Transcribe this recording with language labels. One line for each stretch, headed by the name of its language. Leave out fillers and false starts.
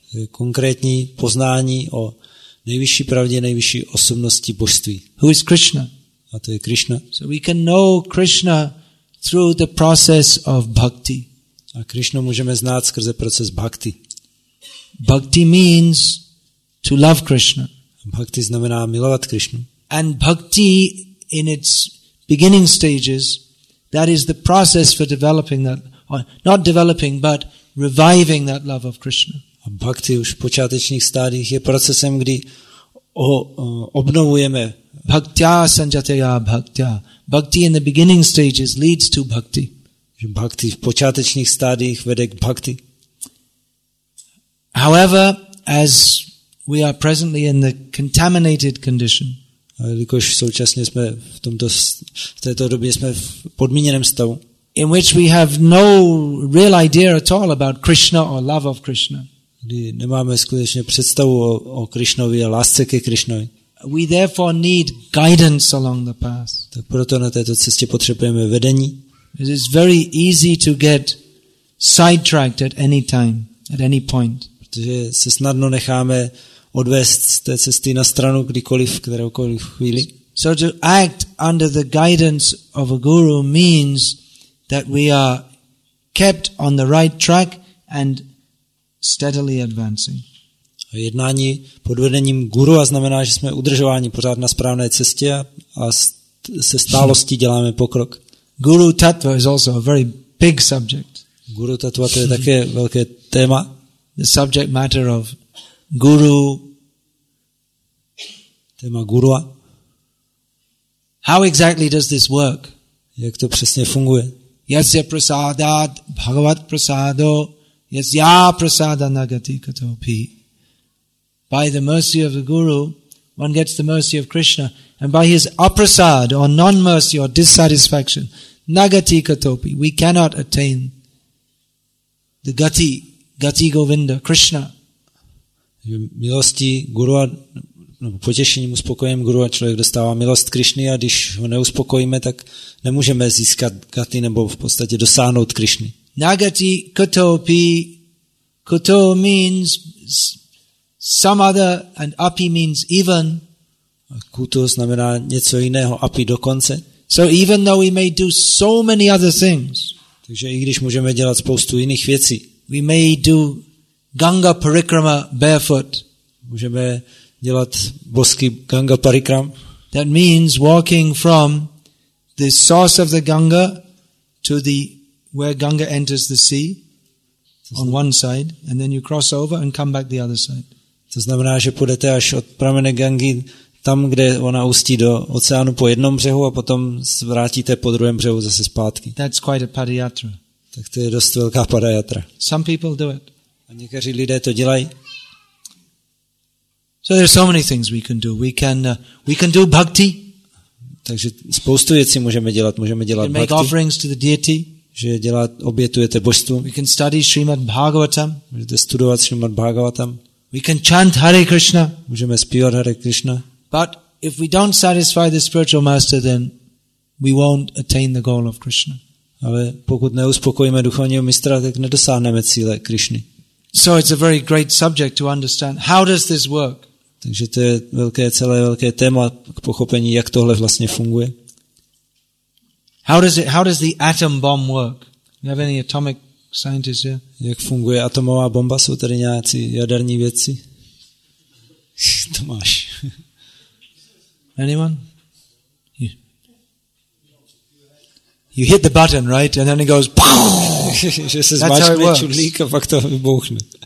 Czech: Konkrétní poznání o nejvyšší pravdě, nejvyšší osobnosti božství.
English: Who is Krishna?
Czech: A to je Krishna.
English: So we can know Krishna through the process of bhakti.
Czech: A Krishnu můžeme znát skrze proces bhakti.
English: Bhakti means to love Krishna.
Czech: Bhakti znamená milovat Krishnu.
English: And bhakti in its beginning stages, that is the process for developing that, not developing, but reviving that love of Krishna.
Czech: A bhakti už v počátečních stádiích je procesem, kdy obnovujeme.
Sanskrit: Bhaktya sanjataya bhaktya.
English: Bhakti in the beginning stages leads to bhakti.
Czech: Bhakti v počátečních stádiích vede k bhakti.
English: However, as we are presently in the contaminated condition,
Czech: a jelikož současně jsme v této době jsme v podmíněném stavu,
English: in which we have no real idea at all about Krishna or love of Krishna.
Czech: Kdy nemáme skutečně představu o Krishnovi a lásce ke Krishnovi.
English: We therefore need guidance along the path.
Czech: Tak proto na této cestě potřebujeme vedení.
English: It is very easy to get sidetracked at any time, at any point.
Czech: Protože se snadno necháme odvést z té cesty na stranu kdykoliv, kteroukoliv chvíli.
English: So to act under the guidance of a guru means that we are kept on the right track and steadily advancing.
Czech: Jednání pod vedením guru a znamená, že jsme udržováni pořád na správné cestě a se stálostí děláme pokrok.
English: Guru tattva is also a very big subject.
Czech: Guru tattva, to je také velké téma.
English: The subject matter of guru.
Czech: Téma gurua.
English: How exactly does this work?
Czech: Jak to přesně funguje?
Sanskrit: Yasya prasadat bhagavat prasado yasya prasada nagati katopi.
English: By the mercy of the guru, one gets the mercy of Krishna, and by his aprasad, or non-mercy, or dissatisfaction,
Sanskrit: nagati katopi,
English: we cannot attain the gati, gati govinda, Krishna.
Czech: Milosti guru, nebo potěšením, uspokojením guru, a člověk dostává milost Krishny, a když ho neuspokojíme, tak nemůžeme získat gati, nebo v podstatě dosáhnout Krishny.
Sanskrit: Nagati katopi,
English: kato means some other, and api means even.
Czech: Kuto znamená něco jiného, api dokonce.
English: So even though we may do so many other things,
Czech: takže i když můžeme dělat spoustu jiných věcí,
English: we may do Ganga Parikrama barefoot,
Czech: můžeme dělat bosky Ganga Parikram,
English: that means walking from the source of the Ganga to the where Ganga enters the sea on one side, and then you cross over and come back the other side.
Czech: To znamená, že půjdete až od pramene Gangy tam, kde ona ústí do oceánu po jednom břehu a potom vrátíte po druhém břehu zase zpátky.
English: That's quite a padayatra.
Czech: Tak to je dost velká padayatra.
English: Some people do it.
Czech: A někteří lidé to dělají.
English: So there are so many things we can do. We can do bhakti.
Czech: Takže spoustu věcí můžeme dělat. Můžeme dělat bhakti.
English: Make offerings to the deity.
Czech: Že dělat, obětujete božstvu.
English: We can study Srimad Bhagavatam.
Czech: Můžete studovat Srimad Bhagavatam.
English: We can chant Hare Krishna.
Czech: Můžeme zpívat Hare Krishna.
English: But if we don't satisfy the spiritual master, then we won't attain the goal of Krishna.
Czech: Ale pokud neuspokojíme duchovního mistra, tak nedosáhneme cíle Krishny.
English: So it's a very great subject to understand. How does this work?
Czech: Takže to je velké, celé velké téma k pochopení, jak tohle vlastně funguje.
English: How does the atom bomb work? You have any atomic scientist here?
Czech: Jak funguje atomová bomba? Jsou tady nějací jaderní vědci? Tomáš.
English: Anyone? You hit the button, right? And then it goes pow!
Czech: že se zmáčkne čudlík a pak to vybouchne.